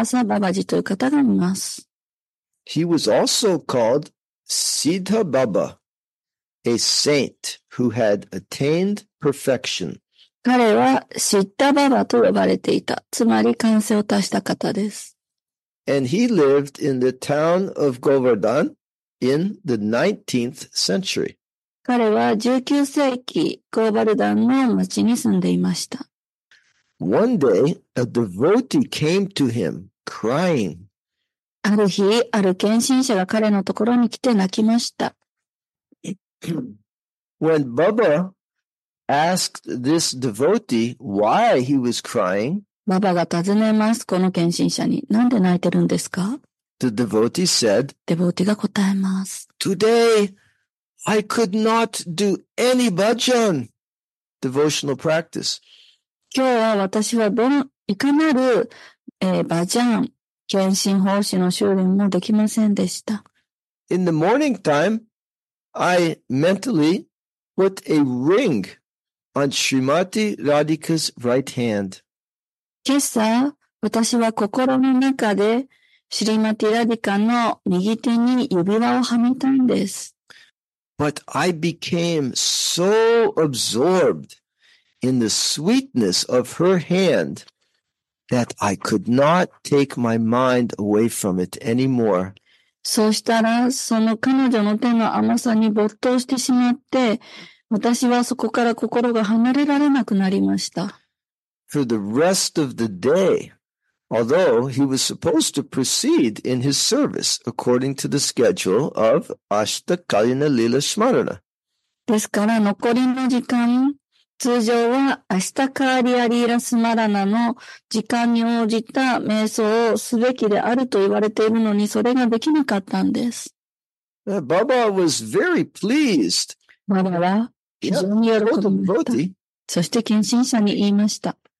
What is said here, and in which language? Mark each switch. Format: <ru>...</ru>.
<ja>近年において最も有名なゴーディア・ヴァイシナヴァの聖者のお一人にシリ・クリシュナ・ダース・ババジという方がいます。</ja> <en>He was also called Siddha Baba, a saint who had attained perfection.</en> <ja>彼はシッタババと呼ばれていた。つまり完成を達した方です。</ja> <en>And he lived in the town of Govardhan in the 19th century.</en> <ja>彼は19世紀ゴーバルダンの町に住んでいました。</ja> <en>One day, a devotee came to him crying.</en> <ja>ある日、ある献身者が彼のところに来て泣きました。</ja> <en>When Baba asked this devotee why he was crying,</en> <ja>ババが尋ねます、この献身者に。なんで泣いてるんですか?</ja> <en>The devotee said,</en> <ja>デボティが答えます。</ja> <en>Today, I could not do any bhajan, devotional practice.</en> <ja>今日は私はいかなる、バジャン、検診奉仕の修練もできませんでした。</ja> <en>In the morning time, I mentally put a ring on Srimati Radhika's right hand.</en> <ja>今朝、私は心の中でシリマティ・ラディカの右手に指輪をはめたんです。</ja> <en>But I became so absorbed in the sweetness of her hand that I could not take my mind away from it anymore.</en> <ja>そうしたら、その彼女の手の甘さに没頭してしまって、私はそこから心が離れられなくなりました。</ja> <en>For the rest of the day, although he was supposed to proceed in his service according to the schedule of Ashtakalina Lila Smarana.</en> <ja>ですから残りの時間、通常はアシタカーリアリーラスマラナの時間に応じた瞑想をすべきであると言われているのにそれができなかったんです。</ja> <en>Baba was very pleased.</en> <ja>ババは非常に喜びました。そして献身者に言いました。</ja>